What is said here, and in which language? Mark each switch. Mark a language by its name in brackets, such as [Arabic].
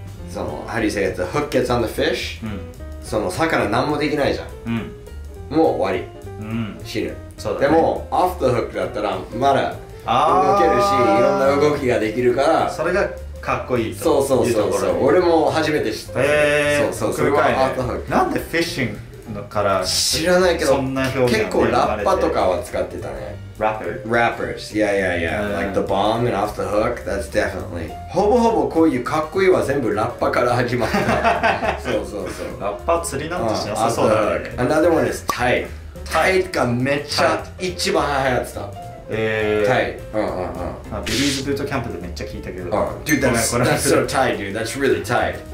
[Japanese] その、 [English] How do you say it? The hook gets on the fish? [Japanese] その、魚何もできないじゃん。もう終わり。死ぬ。そうだね。でも、オフ・ザ・フックだったら、まだ動けるし、いろんな動きができるから。それがかっこいいと。そうそうそう。俺も初めて知った。そうそう。それはオフ・ザ・フック。なんでフィッシングのから、知らないけど、結構ラッパとかは使ってたね。 [English] Rappers? Yeah, yeah, yeah. Like the bomb and off the hook, that's definitely. [Japanese] ほぼほぼこういうかっこいいは全部ラッパから始まった。そうそうそう。ラッパ釣りなんてしなさそうだね。 [English] Another one is tight. Tight [Japanese] がめっちゃ一番流行ってた。 [English] Tight. [Japanese] ビリーズブートキャンプでめっちゃ聞いたけど。 [English] Dude, that's so tight, dude. That's really tight.